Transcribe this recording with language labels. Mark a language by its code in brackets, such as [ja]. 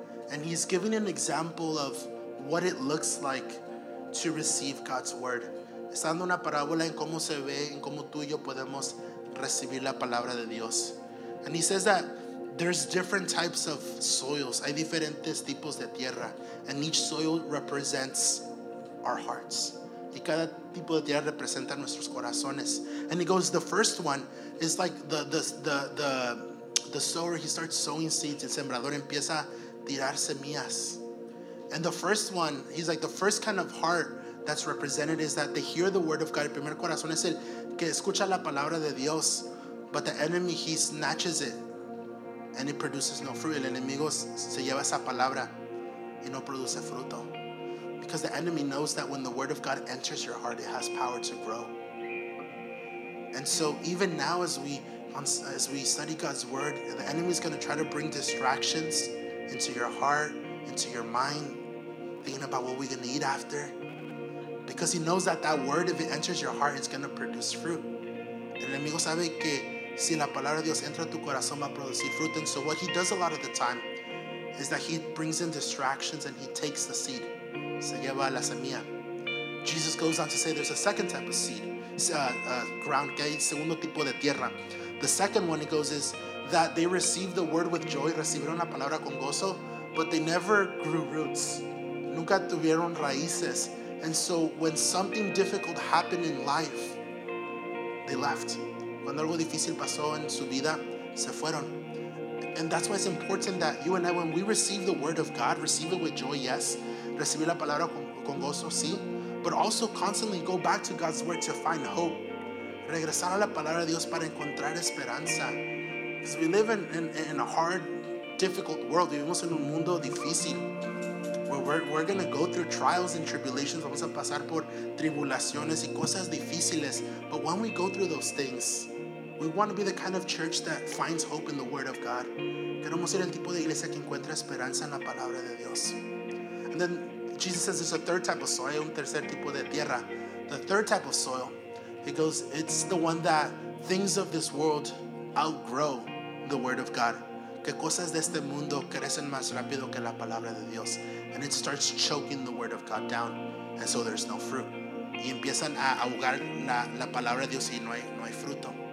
[en] And he's giving an example of what it looks like to receive God's word. [es] Está dando una parábola en cómo se ve, en cómo tú y yo podemos recibir la palabra de Dios. [en] And he says that there's different types of soils. [es] Hay diferentes tipos de tierra. [en] And each soil represents our hearts. [es] Y cada tipo de tierra representa nuestros corazones. [en] And he goes, the first one is like the sower. He starts sowing seeds. [es] El sembrador empieza a tirar semillas. [en] And the first one, he's like, the first kind of heart that's represented is that they hear the word of God. [es] El primer corazón es el que escucha la palabra de Dios. [en] But the enemy, he snatches it. And it produces no fruit. [es] El enemigo se lleva esa palabra y no produce fruto. [en] Because the enemy knows that when the word of God enters your heart, it has power to grow. And so even now as we study God's word, the enemy is going to try to bring distractions into your heart, into your mind, thinking about what we're going to eat after. Because he knows that word, if it enters your heart, it's going to produce fruit. [es] El enemigo sabe que si la palabra de Dios entra a tu corazón va a producir fruto. [en] And so what he does a lot of the time is that he brings in distractions and he takes the seed. [es] Se lleva la semilla. [en] Jesus goes on to say there's a second type of seed. It's a ground, [es] que hay segundo tipo de tierra. [en] The second one he goes is that they received the word with joy, [es] recibieron la palabra con gozo, [en] but they never grew roots. [es] Nunca tuvieron raíces. [en] And so when something difficult happened in life, they left. [es] Cuando algo difícil pasó en su vida, se fueron. [en] And that's why it's important that you and I, when we receive the word of God, receive it with joy, yes. [es] Recibir la palabra con gozo, sí. [en] But also constantly go back to God's word to find hope. [es] Regresar a la palabra de Dios para encontrar esperanza. [en] Because we live in a hard, difficult world. [es] Vivimos en un mundo difícil. [en] Where we're going to go through trials and tribulations. [es] Vamos a pasar por tribulaciones y cosas difíciles. [en] But when we go through those things, we want to be the kind of church that finds hope in the word of God. [es] Queremos ser el tipo de iglesia que encuentra esperanza en la palabra de Dios. [en] And then Jesus says there's a third type of soil, [es] un tercer tipo de tierra. [en] The third type of soil, he goes, it's the one that things of this world outgrow the word of God. [es] Que cosas de este mundo crecen más rápido que la palabra de Dios. [en] And it starts choking the word of God down. And so there's no fruit. [es] Y empiezan a ahogar la palabra de Dios y no hay fruto.